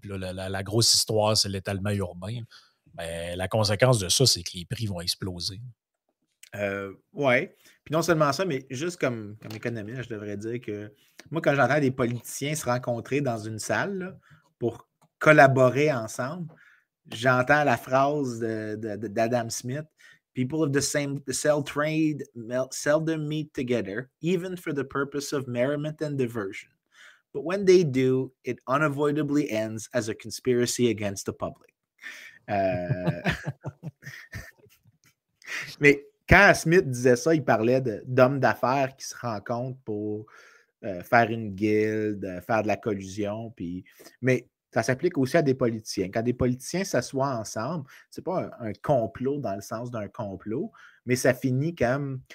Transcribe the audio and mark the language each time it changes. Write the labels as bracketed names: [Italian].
[French] Puis là, la grosse histoire, c'est l'étalement urbain. Mais la conséquence de ça, c'est que les prix vont exploser. Oui. Puis non seulement ça, mais juste comme économiste, je devrais dire que moi, quand j'entends des politiciens se rencontrer dans une salle là, pour collaborer ensemble, j'entends la phrase d'Adam Smith. [English] People of the same cell trade seldom meet together, even for the purpose of merriment and diversion. But when they do, it unavoidably ends as a conspiracy against the public. [French] Mais quand Smith disait ça, il parlait d'hommes d'affaires qui se rencontrent pour faire une guilde, faire de la collusion. Mais ça s'applique aussi à des politiciens. Quand des politiciens s'assoient ensemble, c'est pas un complot dans le sens d'un complot, mais ça finit comme...